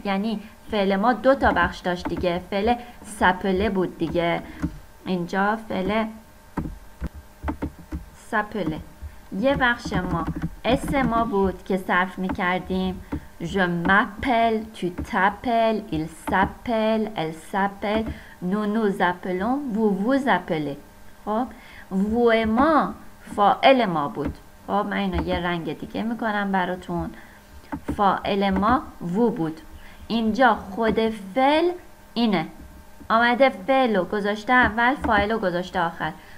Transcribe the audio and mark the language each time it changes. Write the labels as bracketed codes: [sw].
[fa] یعنی فعل ما دو تا بخش داشت دیگه، فعل سپله بود دیگه، اینجا فعل سپله، یه بخش ما اسم ما بود که صرف می‌کردیم. [fr] Je m'appelle, tu t'appelles, il s'appelle, elle s'appelle, nous nous appelons, vous vous appelez. [fa] خب [fr] vous et moi [fa] فاعل ما بود. خب من اینو یه رنگ دیگه میکنم براتون. فاعل ما وو بود. اینجا خود فعل اینه، آمده فعلو گذاشته اول، فاعلو گذاشته آخر.